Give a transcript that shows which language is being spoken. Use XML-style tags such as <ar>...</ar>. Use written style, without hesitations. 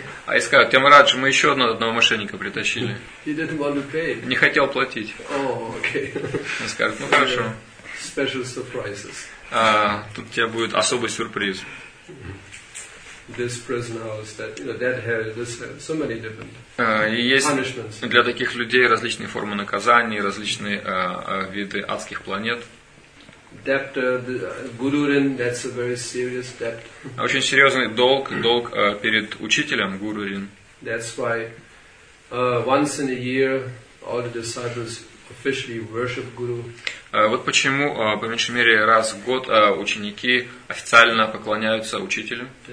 <ru>А и скажут, Ямарадж, мы еще одного мошенника притащили.</ru> <en>He didn't want to pay.</en> <ru>Не хотел платить.</ru> <en>Oh, okay.</en> <ru>И скажут, ну хорошо.</ru> <en>Special surprises.</en> <ru>А, тут у тебя будет особый сюрприз.</ru> <en>This prison house that, you know, that hell, this hell, so many different.</en> <ru>И есть для таких людей различные формы наказаний, различные виды адских планет.</ru> <en>Gururin, that's a very serious debt.</en> <ru>Очень серьезный долг, долг перед учителем Гурурин.</ru> <en>That's why once in a year all the disciples officially worship Guru.</en> <ru>Вот почему, по меньшей мере, раз в год ученики официально поклоняются учителю.</ru>